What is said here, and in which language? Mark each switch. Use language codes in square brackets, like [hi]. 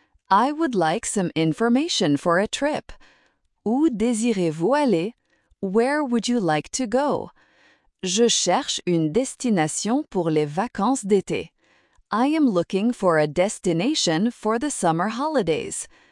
[en] I would like some information for a trip. [fr] Où désirez-vous aller? [en] Where would you like to go? [fr] Je cherche une destination pour les vacances d'été. [en] I am looking for a destination for the summer holidays.